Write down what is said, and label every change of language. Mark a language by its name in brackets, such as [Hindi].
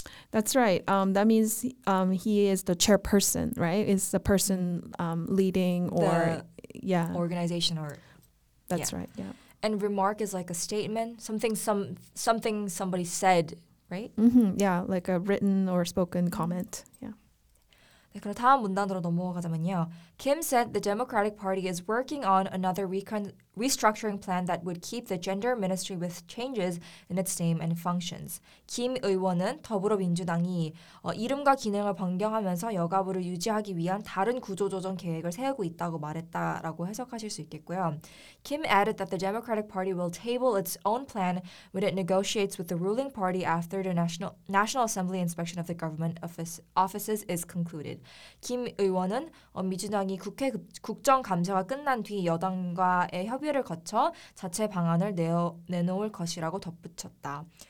[English] That's right. That means he is the chairperson, right? Is the person leading or the yeah organization or that's yeah. right. Yeah. And remark is like a statement, something somebody said, right? Mm-hmm. Yeah, like a written or spoken comment. Yeah. [Korean] 네, 그럼 다음 문단으로 넘어가자면요. [English] Kim said the Democratic Party is working on another restructuring plan that would keep the gender ministry with changes in its name and functions. [Korean] Kim 의원은 더불어민주당이 이름과 기능을 변경하면서 여가부를 유지하기 위한 다른 구조조정 계획을 세우고 있다고 말했다라고 해석하실 수 있겠고요. [English] Kim added that the Democratic Party will table its own plan when it negotiates with the ruling party after the National Assembly inspection of the government offices is concluded. [Korean] Kim 의원은 민주당이 국회 국정감사가 끝난 뒤 여당과의 협의를 거쳐 자체 방안을 내놓을 것이라고 덧붙였다.